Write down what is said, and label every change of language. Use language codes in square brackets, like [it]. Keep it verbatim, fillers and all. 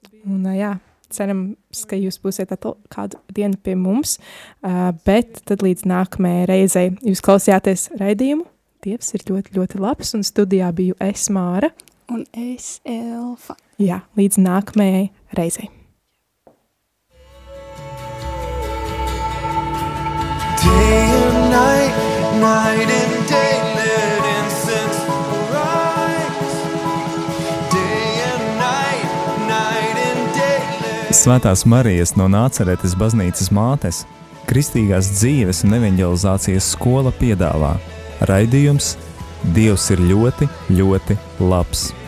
[lv] Un uh, jā, cerams, ka jūs būsiet atal kādu dienu pie mums, uh, bet tad līdz nākamajai reizei jūs klausījāties raidījumu. Dievs ir ļoti, ļoti labs, un studijā biju es, Māra. Un es, Elfa. Jā, līdz nākamajai reizei. [en] Day and night, night and day, let incense arise. Day and night, night and day, let... [lv] Svētās Marijas no Nācaretes baznīcas mātes, kristīgās dzīves un evanģelizācijas skola piedāvā. Raidījums Dievs ir ļoti, ļoti labs.